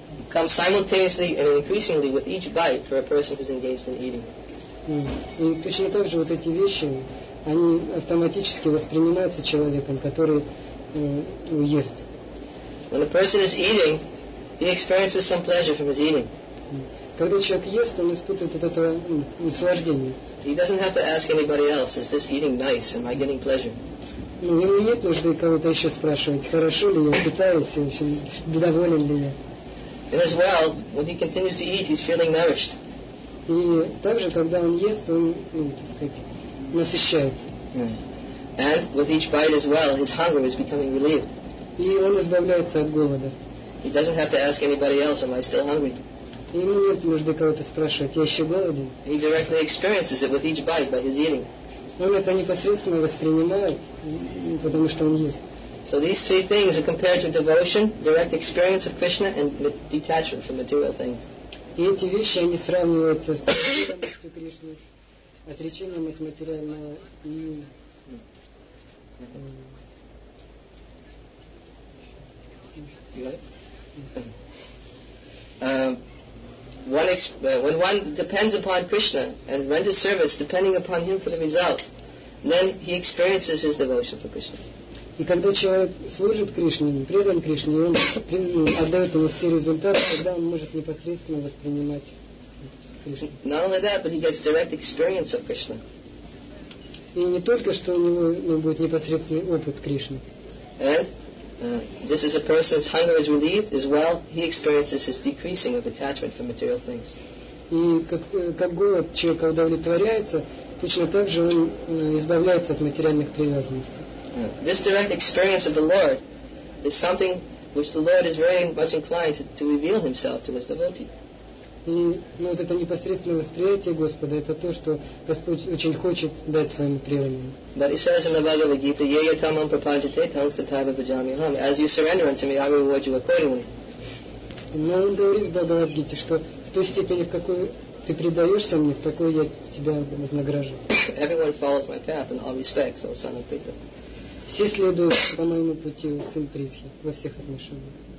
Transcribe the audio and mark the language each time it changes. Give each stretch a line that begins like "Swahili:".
English: come simultaneously and increasingly with each bite for a person who's engaged in eating.
Russian: И точно так же вот эти вещи, они автоматически воспринимаются человеком, который ест.
English: When a person is eating, he experiences some pleasure from his eating.
Russian: Когда человек ест, он испытывает от этого наслаждение.
English: He doesn't have to ask anybody else, is this eating nice? Am I getting pleasure?
Russian: Ну, ему нет нужды кого-то еще спрашивать, хорошо ли я питаюсь, в общем, доволен ли я.
English: And as well, when he continues to eat, he's feeling nourished.
Russian: И также, когда он ест, он, ну, так сказать, насыщается.
English: And with each bite as well, his hunger is becoming relieved.
Russian: И он избавляется от голода.
English: He doesn't have to ask anybody else, am I still hungry?
Russian: И ему нет нужды кого-то спрашивать, я еще голоден?
English: He directly experiences it with each bite by his eating.
Russian: Он это непосредственно воспринимает, потому что он ест.
English: So these three things are compared to devotion, direct experience of Krishna, and detachment from material things.
Russian: И эти вещи, они сравниваются с преданностью Кришны, отречением от материального и
English: when one depends upon Krishna and renders service depending upon him for the result, then he experiences his devotion for Krishna.
Russian: И когда человек служит Кришне, предан Кришне, он отдает ему все результаты, тогда он может непосредственно воспринимать Кришну.
English: Not only that, but he gets direct experience of Krishna.
Russian: И не только, что у него будет непосредственный опыт Кришны.
English: And just as a person's hunger is relieved as well, he experiences his decreasing of attachment for material things.
Russian: И как голод человека удовлетворяется, точно так же он избавляется от материальных привязанностей.
English: This direct experience of the Lord is something which the Lord is very much inclined to reveal himself to his devotee.
Russian: И ну, вот это непосредственное восприятие Господа, это то, что Господь очень хочет дать своим преданным.
English: But it says in the Bhagavad Gita,
Sanskrit: Yaya Tamam Prapaljate Tangstatava Bhajami Hami.
English: As you surrender unto me, I will reward you accordingly.
Russian: Но он говорит в Бхагавад Гите, что в той степени, в какой ты предаешься мне, в такой я тебя вознагражу.
English: Everyone follows my path in all respects, O son of Pritha.
Russian: Все следуют по моему пути, сын Притхи, во всех отношениях.